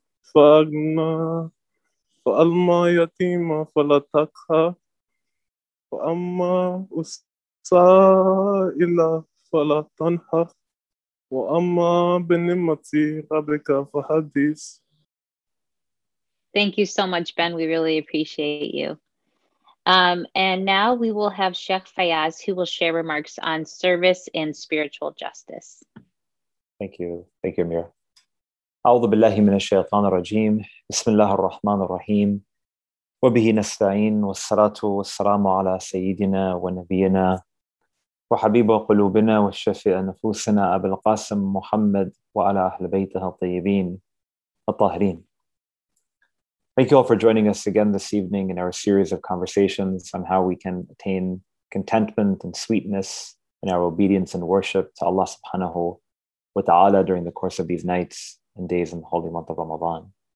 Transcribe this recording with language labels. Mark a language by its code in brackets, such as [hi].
[ar] فَأَغْنَى فَأَلْمَى يَتِيمًا فَلَا تَقْهَى وَأَمَّا السَّائِلَ فَلَا تَنْهَرْ وَأَمَّا بِنِمَّةِ رَبِّكَ فَحَدِّثْ. [en] Thank you so much, Ben. We really appreciate you. And now we will have Sheikh Fayaz, who will share remarks on service and spiritual justice. Thank you. Thank you, Amir. [ar] أعوذ بالله من الشيطان الرجيم. بسم الله الرحمن الرحيم. وبه نستعين والصلاة والسلام على سيدنا ونبينا وحبيب قلوبنا والشفيع نفوسنا أبي القاسم محمد وعلى أهل بيته الطيبين الطاهرين. [en] Thank you all for joining us again this evening in our series of conversations on how we can attain contentment and sweetness in our obedience and worship to Allah subhanahu wa ta'ala during the course of these nights and days in the holy month of Ramadan.